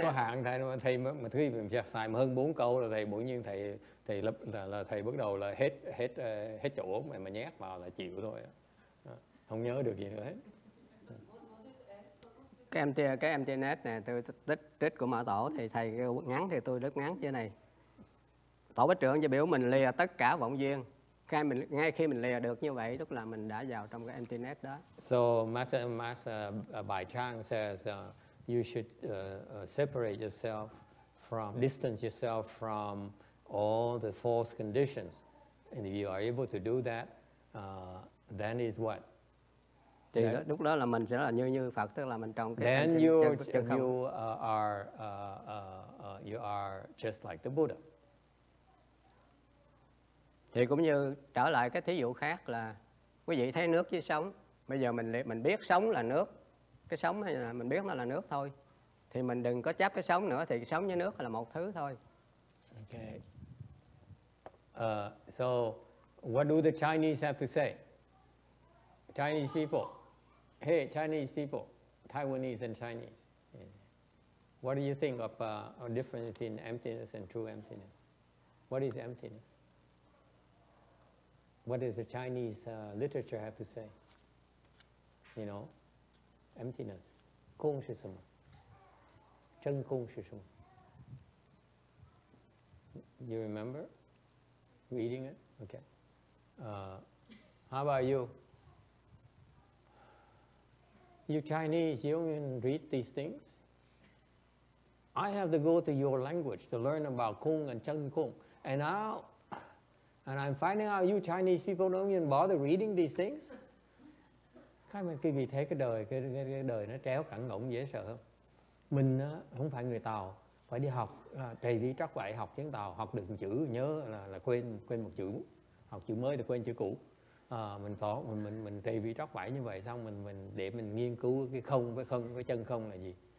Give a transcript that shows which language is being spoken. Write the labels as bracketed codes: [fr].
[vi] có hạn, thầy mà thứ gì mà xài mà hơn bốn câu là thầy bỗng nhiên thầy là thầy bắt đầu là hết chỗ mà nhét vào là chịu thôi, không nhớ được gì nữa hết. Cái Emptiness này từ tích của Mã Tổ thì thầy ngắn thì tôi rất ngắn như này. Tổ Bách Trượng cho biểu mình lìa tất cả vọng duyên. Ngay khi mình lìa được như vậy, tức là mình đã vào trong cái Emptiness đó. [en] So Master Bai Chang says you should separate yourself from, distance yourself from all the false conditions. And if you are able to do that, then is what? [vi] Thì lúc đó là mình sẽ là như Phật, tức là mình trong cái [en] then you are just like the Buddha. [vi] Thì cũng như trở lại cái thí dụ khác là quý vị thấy nước với sống. Bây giờ mình biết sống là nước. Cái sống hay là mình biết nó là nước thôi. Thì mình đừng có chấp cái sống nữa, thì sống với nước là một thứ thôi. [en] Okay. So what do the Chinese have to say? Chinese people. Hey, Chinese people, Taiwanese and Chinese. Yeah. What do you think of a difference between emptiness and true emptiness? What is emptiness? What does the Chinese literature have to say? You know, emptiness. [zh] Kung shi shen ma? [en] Zhen kung shi shen ma? You remember reading it? Okay. How about you? You Chinese, you can read these things. I have to go to your language to learn about kung and zhen kung. And I'm finding out you Chinese people don't even bother reading these things. [vi] Cái mà khi bị thấy cái đời nó tréo cẳng ngỗng dễ sợ không? Mình không phải người Tàu, phải đi học, trầy đi trắc vậy học tiếng Tàu, học được một chữ, nhớ là quên một chữ, học chữ mới thì quên chữ cũ. Mình trầy đi trắc vậy như vậy xong mình để mình nghiên cứu cái không, cái chân không là gì.